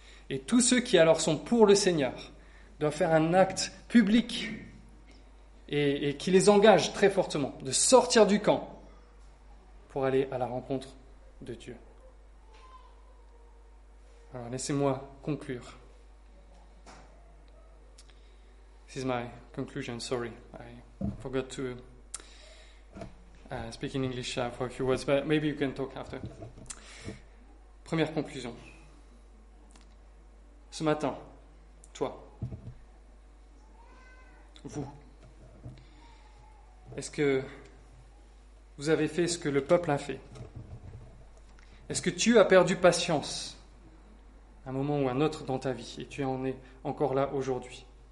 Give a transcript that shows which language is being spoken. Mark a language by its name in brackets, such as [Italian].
[French] Et tous ceux qui alors sont pour le Seigneur doivent faire un acte public et qui les engage très fortement de sortir du camp pour aller à la rencontre de Dieu. Alors, laissez-moi conclure. [English] This is my conclusion, sorry. I forgot to speak in English for a few words, but maybe you can talk after. [French] Première conclusion. Ce matin, toi, vous, est-ce que vous avez fait ce que le peuple a fait? Est-ce que tu as perdu patience? Un moment ou un autre dans ta vie, et tu en es encore là aujourd'hui.